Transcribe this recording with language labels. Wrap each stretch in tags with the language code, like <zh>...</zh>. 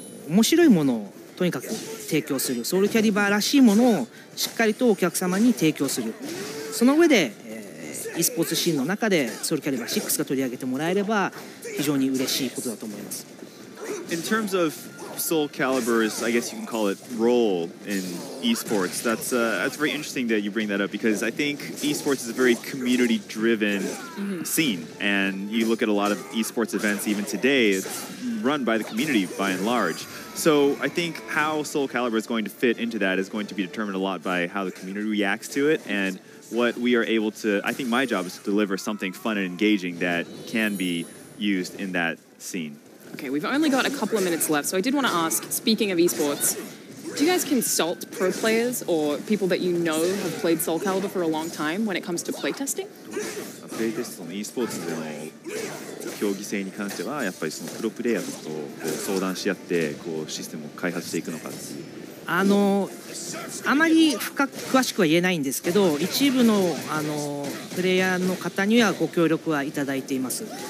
<ja>面白いものをとにかく提供する、ソウルキャリバーらしいものをしっかりとお客様に提供する、その上で、e スポーツシーンの中でソウルキャリバー6が取り上げてもらえれば非常に嬉しいことだと思います。</ja> <en>In terms of Soul Calibur's, I guess you can call it, role in esports, that's very interesting that you bring that up, because I think esports is a very community driven scene, and you look at a lot of esports events even today, it's run by the community by and large. So I think how Soul Calibur is going to fit into that is going to be determined a lot by how the community reacts to it and what we are able to. I think my job is to deliver something fun and engaging that can be used in that scene. Okay, we've only got a couple of minutes left, so I did want to ask, speaking of esports, do you guys consult pro players or people that you know have played Soul Calibur for a long time when it comes to playtesting? Playtesting in esports, in terms of competitiveness, do you think you can consult pro players to discuss and develop the system?</en> <ja>あまり詳しくは言えないんですけど、一部 の, プレイヤーの方にはご協力はいただいています。</ja>